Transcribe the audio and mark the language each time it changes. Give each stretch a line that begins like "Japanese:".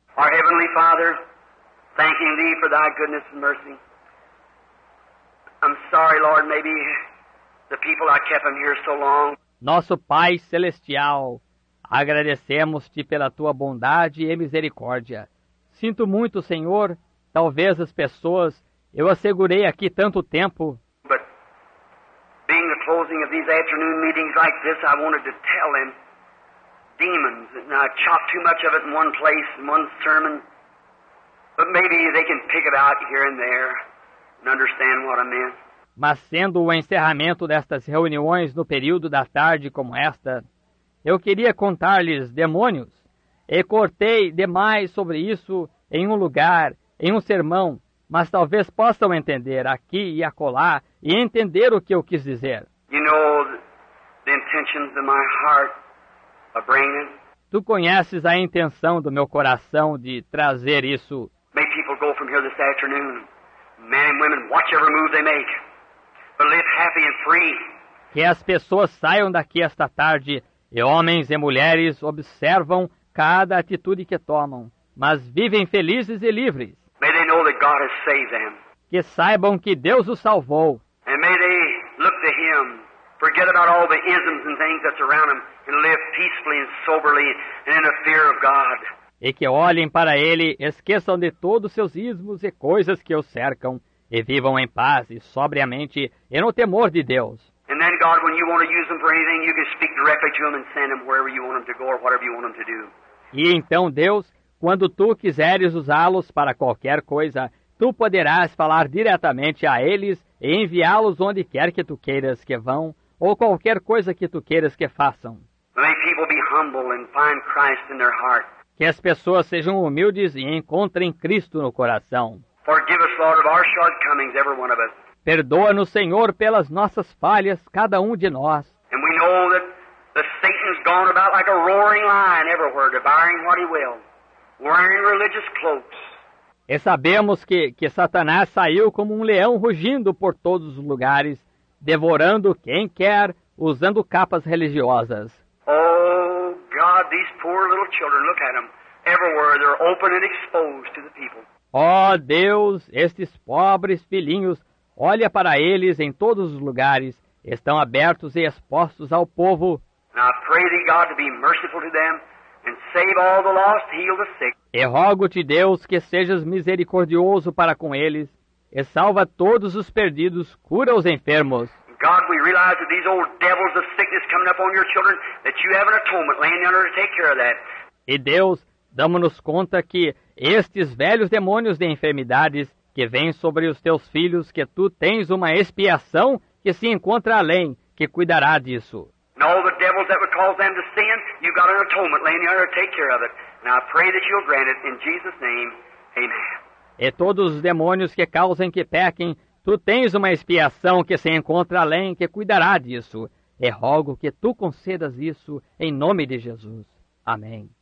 English: Our Heavenly Father, thanking Thee for Thy goodness and mercy. I'm sorry, Lord, maybe the people I kept them here so long.
Portuguese: Nosso Pai Celestial, agradecemos-Te pela Tua bondade e misericórdia. Sinto muito, Senhor, talvez as pessoas eu assegurei aqui tanto tempo.
English: But being the closing of these afternoon meetings like this, I wanted to tell them demons. And I chopped too much of it in one place, in one sermon. But maybe they can pick it out here and there and understand what I meant.
Portuguese: Mas sendo o encerramento destas reuniões no período da tarde como esta, eu queria contar-lhes demônios. E cortei demais sobre isso em um lugar, em um sermão, mas talvez possam entender aqui e acolá e entender o que eu quis dizer.
English: You know the intentions of my heart of bringing.
Portuguese: Tu conheces a intenção do meu coração de trazer isso.
English: May people go from here this afternoon, men and women, watch every move they make, but live happy and free.
Portuguese: Que as pessoas saiam daqui esta tarde e homens e mulheres observam cada atitude que tomam, mas vivem felizes e livres.
English: May they know that God has saved them.
Portuguese: Que saibam que Deus os salvou.
English: And may they look to Him, forget about all the isms and things that surround them, and live peacefully and soberly and in a fear of God.
Portuguese: E que olhem para Ele, esqueçam de todos os seus ismos e coisas que o cercam, e vivam em paz e sobriamente e no temor de Deus.
English: And then God, when you want to use them for anything, you can speak directly to them and send them wherever you want them to go or whatever you want them to do.
Portuguese: E então Deus, quando tu quiseres usá-los para qualquer coisa, tu poderás falar diretamente a eles e enviá-los onde quer que tu queiras que vão, ou qualquer coisa que tu queiras que façam.
English: May people be humble and find Christ in their heart.
Portuguese: Que as pessoas sejam humildes e encontrem Cristo no coração.
English: Forgive us, Lord, of our shortcomings, every one of us.
Portuguese: Perdoa-nos, Senhor, pelas nossas falhas, cada um de nós.
English: And we know that the Satan's gone about like a roaring lion everywhere, devouring what he will. Wearing religious cloaks.
Portuguese: E sabemos que Satanás saiu como um leão rugindo por todos os lugares, devorando quem quer, usando capas religiosas.
English: Oh God, these poor little children, look at them. Everywhere they're open and exposed to the people.
Portuguese: Oh Deus, estes pobres filhinhos, olha para eles em todos os lugares, estão abertos e expostos ao povo.
English: And I pray thee, God, to be merciful to them. And save all the lost, heal the sick.
Portuguese: E rogo-te, Deus, que sejas misericordioso para com eles, e salva todos os perdidos, cura os enfermos.
English: God, we realize that these old devils of sickness coming up on your children, that you have an atonement laying under to take care of that.
Portuguese: E Deus, damos-nos conta que estes velhos demônios de enfermidades que vêm sobre os teus filhos, que tu tens uma expiação que se encontra além, que cuidará disso.
English: And all the devils that would cause them to sin, you've got an atonement laying there to take care of it. And I pray that you'll grant it in Jesus' name. Amen.
Portuguese: E todos os demônios que causem que pequem, tu tens uma expiação que se encontra além, que cuidará disso. E rogo que tu concedas isso em nome de Jesus. Amém.